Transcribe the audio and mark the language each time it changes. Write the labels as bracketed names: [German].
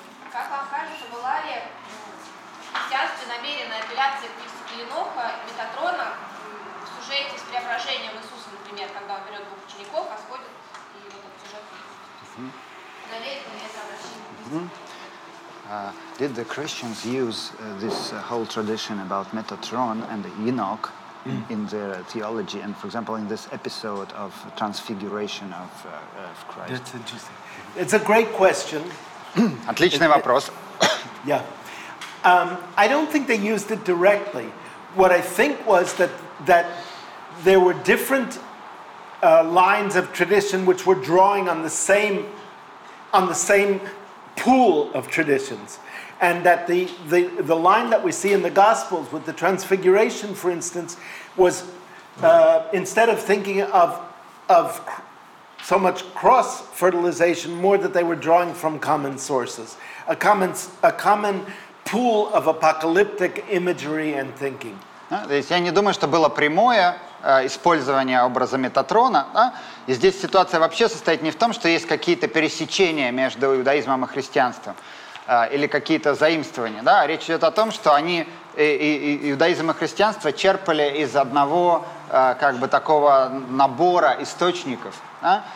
[Russian] Как вам кажется, была ли христианство намеренная апелляция к мистике Еноха и Метатрона в сюжете с преображением Иисуса, например, когда он берет двух учеников, восходит, и вот этот сюжет удаляет на это обращение? [English] Did the Christians use this whole tradition about Metatron and Enoch in their theology, and for example, in this episode of Transfiguration of Christ? That's interesting. It's a great question. [Russian] Отличный вопрос. [English] Yeah. I don't think they used it directly. What I think was that there were different lines of tradition which were drawing on the same pool of traditions. And that the line that we see in the Gospels with the Transfiguration, for instance, was instead of thinking of so much cross fertilization, more that they were drawing from common sources, a common pool of apocalyptic imagery and thinking. [Russian] То есть я не думаю, что было прямое использование образа Метатрона. Да? И здесь ситуация вообще состоит не в том, что есть какие-то пересечения между иудаизмом и христианством. Или какие-то заимствования. Да? Речь идет о том, что они, и иудаизм и христианство, черпали из одного как бы такого набора источников, да?